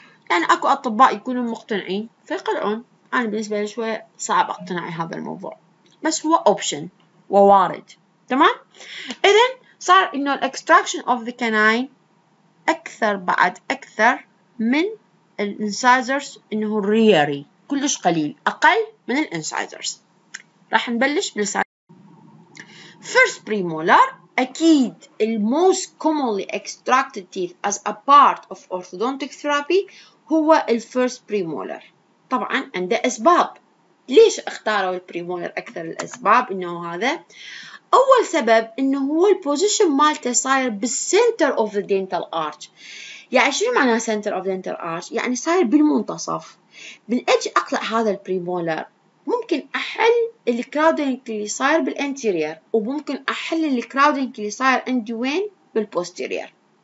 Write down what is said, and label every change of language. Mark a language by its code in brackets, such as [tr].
[ar] يعني اكو اطباء يكونوا مقتنعين فيقلعون, انا بالنسبه لي شويه صعب اقتنع هذا الموضوع, بس هو اوبشن ووارد. تمام؟ اذا صار انه الاكستراكشن اوف ذا كناين اكثر من الانسايزرز انه الرياري كلش قليل, اقل من الانسايزرز. راح نبلش بالسايد [en] First premolar, [ar] أكيد ال [en] most commonly extracted teeth as a part of orthodontic therapy [ar] هو ال [en] first premolar. [ar] طبعاً عنده أسباب. ليش اختاروا البريمولر أكثر الأسباب إنه هذا؟ أول سبب إنه هو البوزيشن مالته صاير بال [en] center of the dental arch. [ar] يعني شو معنى [en] center of the dental arch؟ [ar] يعني صاير بالمنتصف. من أجل أقلع هذا البريمولر ممكن أحل الكراودينج اللي صاير بالانتيرير، وممكن أحل الكراودينج اللي صاير عندي وين بالبوستيرير.